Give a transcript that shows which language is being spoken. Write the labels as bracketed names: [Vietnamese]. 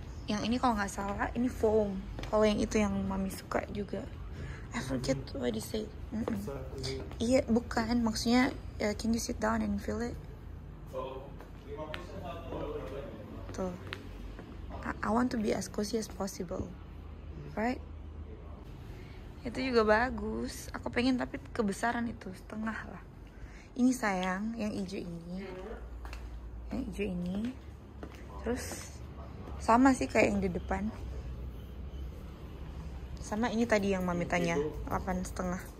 [Indonesian] Yang ini kalau nggak salah ini foam, kalau yang itu yang mami suka juga. [English] I forget what to say. [Indonesian] Iya, bukan maksudnya [English] can you sit down and feel it. I want to be as cozy as possible, right? [Indonesian] Itu juga bagus, aku pengen, tapi kebesaran itu setengah lah. Ini sayang, yang hijau ini. Yang hijau ini. Terus sama sih kayak yang di depan. Sama ini tadi yang mami tanya, 8,5.